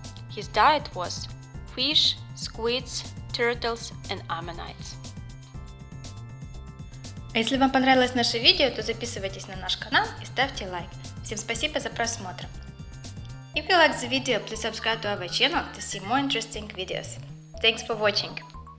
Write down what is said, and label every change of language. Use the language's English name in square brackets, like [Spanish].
[English] His diet was fish, squids, turtles and ammonites. [Russian] А если вам понравилось наше видео, то записывайтесь на наш канал и ставьте лайк. Всем спасибо за просмотр. [English] If you like the video, please subscribe to our channel to see more interesting videos. Thanks for watching.